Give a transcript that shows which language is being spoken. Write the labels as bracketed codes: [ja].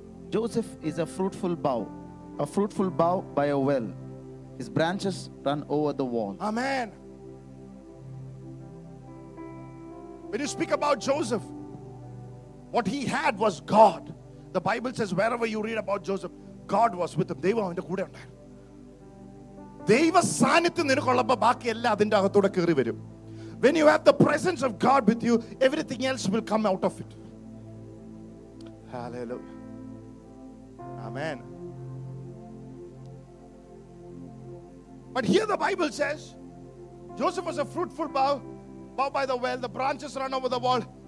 [en] Joseph is a fruitful bough by a well. His branches run over the wall. Amen. When you speak about Joseph, what he had was God. The Bible says wherever you read about Joseph, God was with him. [ml] Deva avante kude undayirunnu. ദൈവ സാന്നിധ്യം നിനക്കുള്ളപ്പോ ബാക്കി എല്ലാം അതിന്റെ അകത്തൂടെ കയറി വരും. [en] When you have the presence of God with you, everything else will come out of it. Hallelujah. Amen. But here the Bible says Joseph was a fruitful bough by the well, the branches run over the wall.